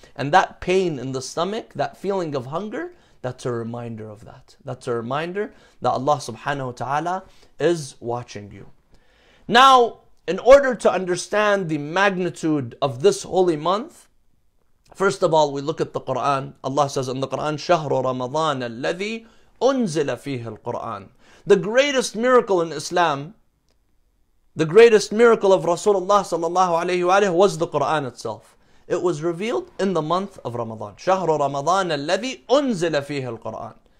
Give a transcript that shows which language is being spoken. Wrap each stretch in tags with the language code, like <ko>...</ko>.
<en>And that pain in the stomach, that feeling of hunger, that's a reminder of that. That's a reminder that Allah subhanahu wa ta'ala is watching you. Now, in order to understand the magnitude of this holy month, first of all, we look at the Quran. Allah says in the Quran,</en> <ar>شهر رمضان الذي أنزل فيه القرآن.</ar> <en>The greatest miracle in Islam, the greatest miracle of Rasulullah sallallahu alayhi wa alayhi was the Quran itself. It was revealed in the month of Ramadan.</en> <ar>شهر رمضان الذي أنزل فيه القرآن.</ar>